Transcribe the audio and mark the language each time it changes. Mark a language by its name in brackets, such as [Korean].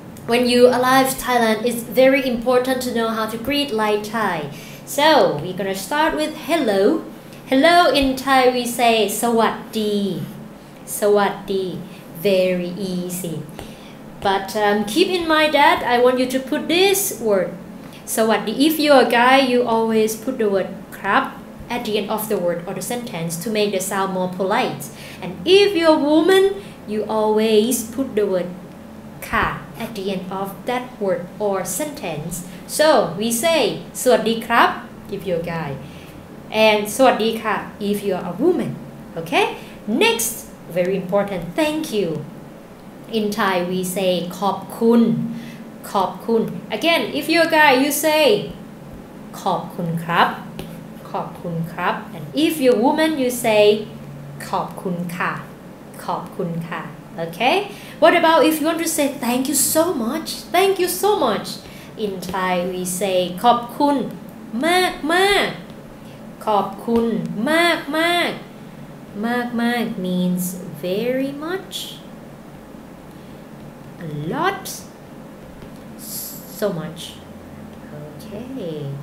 [English] when you arrive Thailand, it's very important to know how to greet like Thai So, we're gonna start with hello Hello in Thai we say [Thai] สวัสดี สวัสดี [English] Very easy But keep in mind that I want you to put this wordSo what if you're a guy, you always put the word crap at the end of the word or the sentence to make the sound more polite. And if you're a woman, you always put the word ka at the end of that word or sentence. So we say [Thai] สวัสดีครับ [English] if you're a guy. And [Thai] สวัสดีค่ะ [English] if you're a woman. Okay? Next, very important, thank you. In Thai, we say [Thai] ขอบคุณขอบคุณ [English] Again, if you're a guy, you say [Thai] ขอบคุณครับขอบคุณครับ [English] And if you're a woman, you say [Thai] ขอบคุณค่ะขอบคุณค่ะ [English] Okay? What about if you want to say thank you so much? Thank you so much In Thai, we say [Thai] ขอบคุณมากมากขอบคุณมากมากมากมาก [English] means very much A lotSo much. Okay.